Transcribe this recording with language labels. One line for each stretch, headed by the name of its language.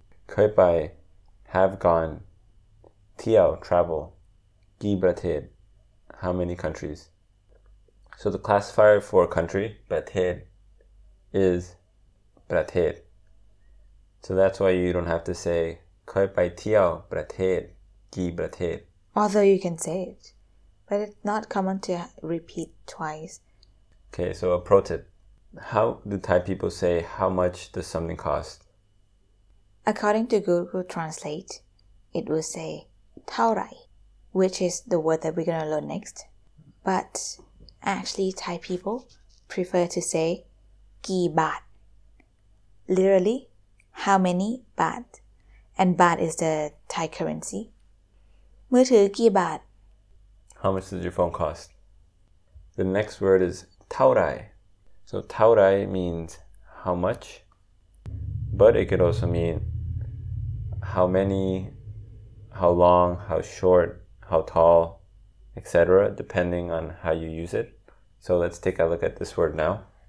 Thai: เคยไป
English: have gone
Thai: เที่ยว
English: travel
Thai: กี่ประเทศ
English: how many countries so the classifier for country ประเทศ is ประเทศ so that's why you don't have to say
Thai: เคยไปเที่ยวประเทศกี่ประเทศ
English: although you can say it but it's not common to repeat twice okay so a pro tip how do Thai people say how much does something cost According to Google Translate, it will say
Thai: เท่าไหร่
English: which is the word that we're going to learn next. But actually, Thai people prefer to say
Thai: กี่บาท
English: Literally, how many baht. And baht is the Thai currency.
Thai: มือถือกี่บาท
English: How much does your phone cost? The next word is
Thai: เท่าไหร่
English: So เท่าไหร่ means how much. But it could also meanHow many, how long, how short, how tall, etc. depending on how you use it. So let's take a look at this word now.